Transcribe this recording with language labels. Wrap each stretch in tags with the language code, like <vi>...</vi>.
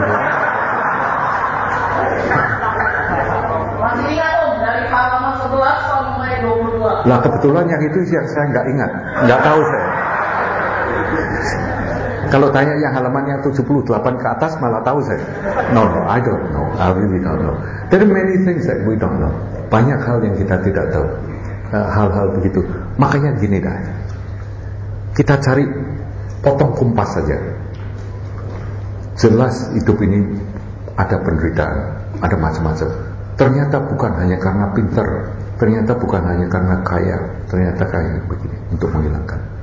<id>berapa? Masih ingat om dari halaman 11 sampai 22. Lah kebetulan yang itu sih saya nggak ingat, nggak tahu saya. Kalau tanya yang halamannya 78 ke atas malah tahu saya.</id> <en>No, I don't know, I really don't know. There are many things that we don't know.</en> <id>Banyak hal yang kita tidak tahu. Hal-hal begitu. Makanya gini dah, kita cari potong kompas saja. Jelas hidup ini ada penderitaan, ada macam-macam. Ternyata bukan hanya karena pinter, ternyata bukan hanya karena kaya, ternyata kaya begini untuk menghilangkan.</id>